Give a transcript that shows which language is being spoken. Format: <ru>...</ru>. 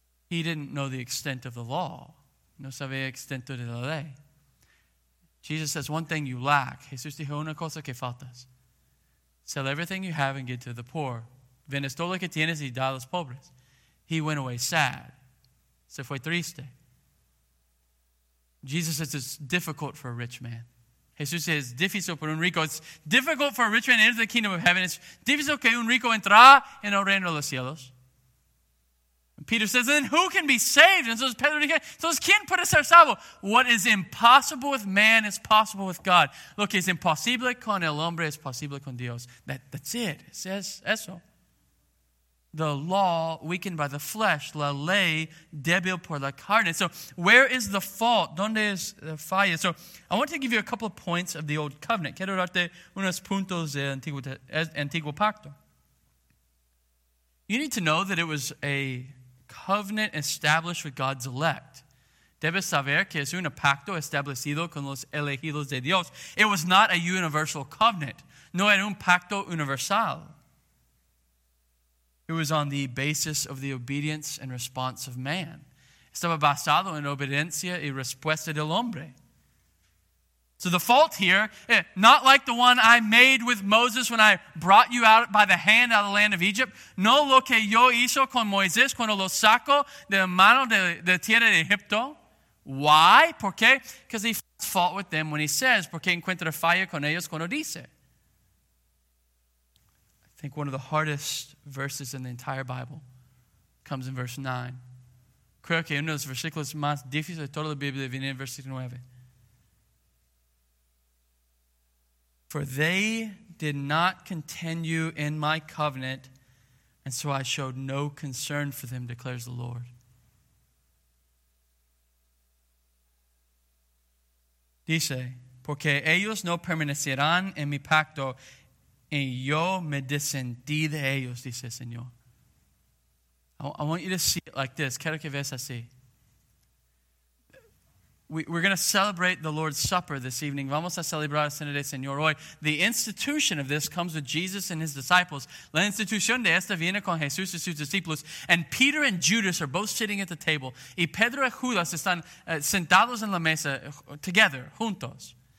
<en>He didn't know the extent of the law.</en> <es>No sabía el extento de la ley.</es> <en>Jesus says, one thing you lack.</en> <es>Jesús dijo, una cosa que faltas.</es> <en>Sell everything you have and give to the poor.</en> <es>Vendes todo lo que tienes y da a los pobres.</es> <en>He went away sad.</en> <es>Se fue triste.</es> <en>Jesus says it's difficult for a rich man. Jesús says,</en> <es>es difícil para un rico.</es> <en>It's difficult for a rich man to enter the kingdom of heaven. It's</en> <es>difícil que un rico entra en el reino de los cielos.</es> <en>And Peter says, then who can be saved? And so</en> <es>Pedro dice, entonces, ¿quién puede ser salvo?</es> <en>What is impossible with man is possible with God.</en> <es>Lo que es imposible con el hombre es posible con Dios.</es> <en>That's it. It says eso. The law weakened by the flesh.</en> <es>La ley débil por la carne.</es> <en>So where is the fault?</en> <es>¿Dónde es la falla?</es> <en>So I want to give you a couple of points of the old covenant.</en> <es>Quiero darte unos puntos del antiguo pacto.</es> <en>You need to know that it was a covenant established with God's elect.</en> <es>Debes saber que es un pacto establecido con los elegidos de Dios.</es> <en>It was not a universal covenant.</en> <es>no era un pacto universal.</es> <en>It was on the basis of the obedience and response of man.</en> <es>Estaba basado en obediencia y respuesta del hombre.</es> <en>So the fault here, not like the one I made with Moses when I brought you out by the hand out of the land of Egypt.</en> <es>No lo que yo hizo con Moisés cuando lo saco de la mano de tierra de Egipto.</es> <en>Why?</en> <es>¿Por qué?</es> <en>Because he finds fault with them when he says,</en> <es>porque encuentra falla con ellos cuando dice.</es> <en>I think one of the hardest verses in the entire Bible comes in verse 9.</en> <es>Creo que uno de los versículos más difíciles de toda la Biblia viene en versículo 9.</es> <en>For they did not continue in my covenant, and so I showed no concern for them, declares the Lord.</en> <es>Dice, porque ellos no permanecerán en mi pacto, y yo me desentí de ellos, dice el Señor.</es> <en>I want you to see it like this.</en> <es>Quiero que veas así.</es> <en>We're going to celebrate the Lord's Supper this evening.</en> <es>Vamos a celebrar la Cena del Señor hoy.</es> <en>The institution of this comes with Jesus and his disciples.</en> <es>La institución de esta viene con Jesús y sus discípulos.</es> <en>And Peter and Judas are both sitting at the table.</en> <es>Y Pedro y Judas están sentados en la mesa</es> <en>together,</en> <es>juntos.</es>